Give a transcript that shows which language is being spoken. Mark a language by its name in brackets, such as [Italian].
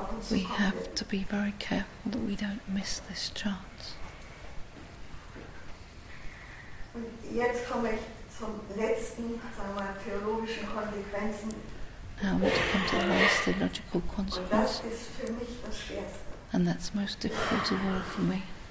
[English] we have to be very careful that we don't miss this chance. [German] Und jetzt komme ich zum letzten, sagen wir mal, theologischen Konsequenzen. [English] Now we come to the last theological consequence. [German] Das ist für mich das [English] and that's most difficult of all for me.